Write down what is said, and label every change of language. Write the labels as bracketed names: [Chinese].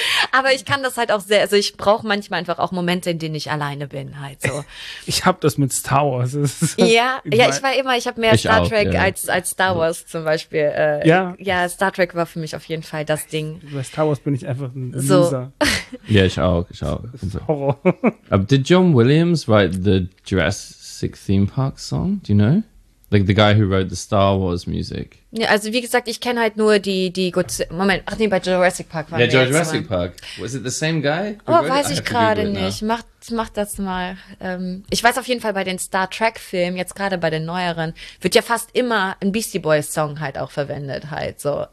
[German] Aber ich kann das halt auch sehr, also ich brauche manchmal einfach auch Momente, in denen ich alleine bin halt so. Ich habe das mit Star Wars. Ich habe mehr Star Trek als Star Wars zum Beispiel. Star Trek war für mich auf jeden Fall das Ding. Bei Star Wars bin ich einfach ein Loser. Ja, ich auch. Das ist Horror. [English] Did John Williams write the Jurassic Theme Park song? Do you know? Like the guy who wrote the Star Wars music. [German] Ja, also wie gesagt, ich kenne halt nur die Godzilla. Moment, ach nee, bei Jurassic Park war ja. Ja, [English] Jurassic Park. Was it the same guy? [German] Oh, weiß ich gerade nicht. Mach das mal. Ich weiß auf jeden Fall bei den Star Trek Filmen, jetzt gerade bei den neueren, wird ja fast immer ein Beastie Boys Song halt auch verwendet halt so.